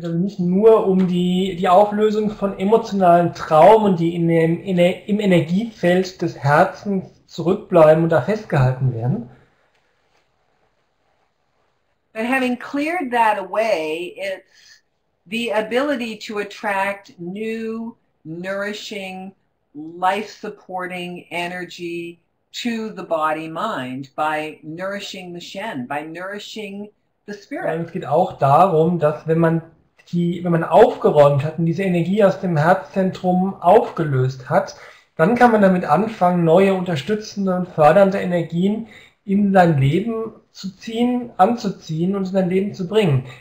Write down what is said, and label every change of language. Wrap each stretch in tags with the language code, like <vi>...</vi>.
<de>geht nicht nur um die Auflösung von emotionalen Traumen, die im Energiefeld des Herzens zurückbleiben und da festgehalten werden.</de> <en>But having cleared that away, it's the ability to attract new, nourishing, life-supporting energy to the body mind by nourishing the Shen, by nourishing the</en> <de>Und</de> <en>spirit.</en> <de>es geht auch darum, dass wenn man aufgeräumt hat und diese Energie aus dem Herzzentrum aufgelöst hat, dann kann man damit anfangen, neue unterstützende und fördernde Energien in sein Leben zu ziehen, anzuziehen und in sein Leben zu bringen.</de>